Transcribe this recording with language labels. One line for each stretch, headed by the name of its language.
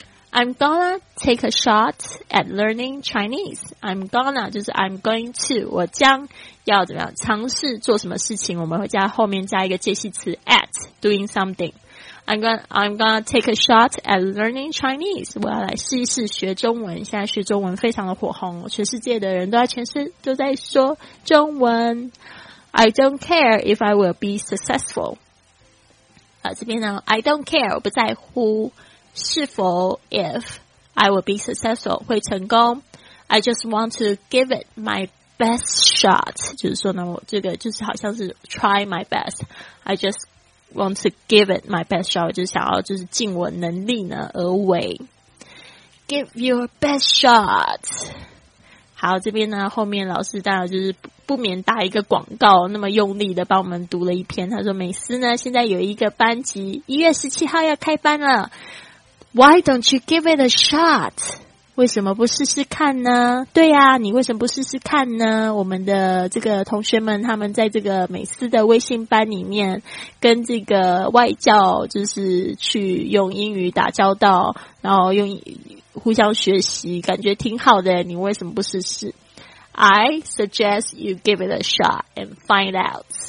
English: I'm gonna take a shot at learning Chinese. I'm gonna
Chinese: 就是
English: I'm going to，
Chinese: 我将要怎么样尝试做什么事情，我们会在后面加一个介系词
English: at doing something。 I'm gonna take a shot at learning Chinese.
Chinese: 我要来试一试学中文。现在学中文非常的火红，全世界的人都在都在说中文。
English: I don't care if I will be successful.
Chinese: 这边呢 ，
English: I don't care，
Chinese: 我不在乎是否
English: if I will be successful
Chinese: 会成功。
English: I just want to give it my best shot.
Chinese: 就是说呢，我这个就是好像是
English: try my best. I justWant to give it my best shot，
Chinese: 就是想要就是尽我能力呢而为。
English: Give your best shot。
Chinese: 好，这边呢后面老师当然就是不免打一个广告，那么用力的帮我们读了一篇。他说美思呢现在有一个班级1月17号要开班了。
English: Why don't you give it a shot？
Chinese: 为什么不试试看呢？对啊，你为什么不试试看呢？我们的这个同学们他们在这个美思的微信班里面跟这个外教就是去用英语打交道，然后用互相学习，感觉挺好的，你为什么不试试？
English: I suggest you give it a shot and find out.